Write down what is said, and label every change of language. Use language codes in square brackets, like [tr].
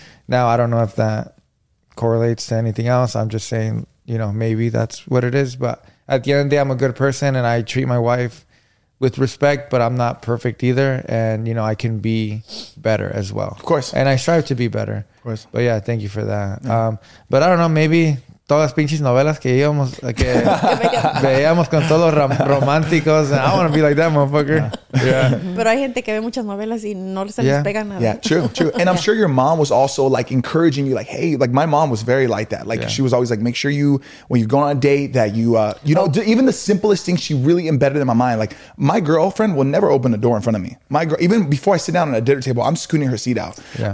[en] Now, I don't know if that correlates to anything else. I'm just saying, you know, maybe that's what it is. But at the end of the day, I'm a good person and I treat my wife with respect, but I'm not perfect either. And, you know, I can be better as well. Of course. And I strive to be better. Of course. But yeah, thank you for that. Yeah. But I don't know, maybe... [es] Todas pinches novelas que íbamos, que veíamos con todos los románticos. [en] I want to be like that, motherfucker. Yeah. [es] Pero hay gente que ve muchas novelas y no se les pega nada. [en] Yeah, true. And I'm sure your mom was also like encouraging you, like, hey, like my mom was very like that. Like she was always like, make sure you, when you go on a date, that you, you know, even the simplest thing she really embedded in my mind. Like my girlfriend will never open a door in front of me. My girl, even before I sit down at a dinner table, I'm scooting her seat out. Yeah.